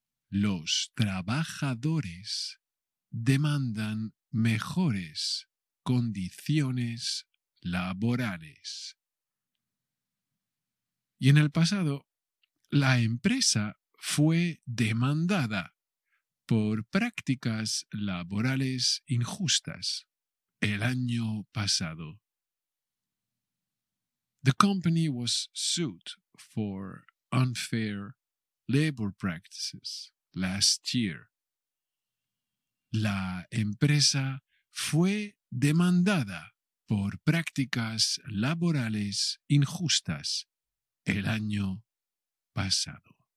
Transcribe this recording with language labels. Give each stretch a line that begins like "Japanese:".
Spanish: Los trabajadores demandan mejores condiciones laborales. Y en el pasado, la empresa fue demandada por prácticas laborales injustas el año pasado.
English: The company was sued for unfair labor practices last year.
Spanish: La empresa fue demandada por prácticas laborales injustas el año pasado.